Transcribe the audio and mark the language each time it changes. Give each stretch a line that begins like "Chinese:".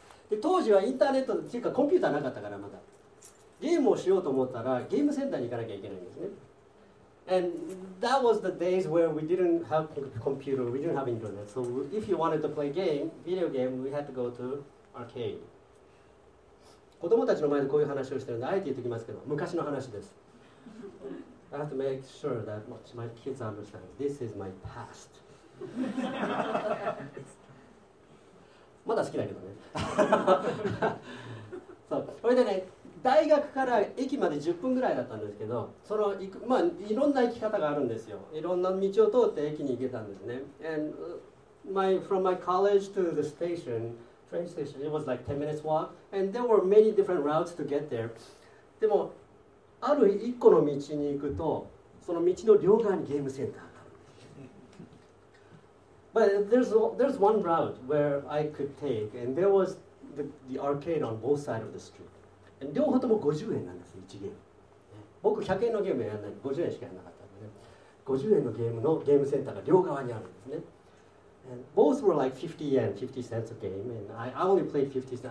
Japanese: で当時はインターネットっていうかコンピューターなかったからまだゲームをしようと思ったらゲームセンターに行かなきゃいけないんですね。
English: And that was the days where we didn't have computer, we didn't have internet. So if you wanted to play game, video game, we had to go to arcade.
Japanese: 子供たちの前でこういう話をしてるんであえて言っておきますけど、昔の話です。
English: I have to make sure that my kids understand this is my past.
Japanese: まだ好きだけどね。そう、それでね、大学から駅まで10分ぐらいだったんですけど、その行く、まあ、いろんな行き方があるんですよ。いろんな道を通って駅に行けたんですね。
English: And my, from my college to the station, train station, it was like 10 minutes walk, and there were many different routes to get there.
Japanese: でも、ある一個の道に行くと、その道の両側にゲームセンターがある。
English: But there's one route where I could take, and there was the arcade on both sides of the street.
Japanese: 両方とも50円なんですよ、1ゲーム。僕100円のゲームやらない、50円しかやらなかったんで、ね、50円のゲームのゲームセンターが両側にあるんですね。
English: And both were like 50 yen, 50 cents a game, and I only played 50 cents.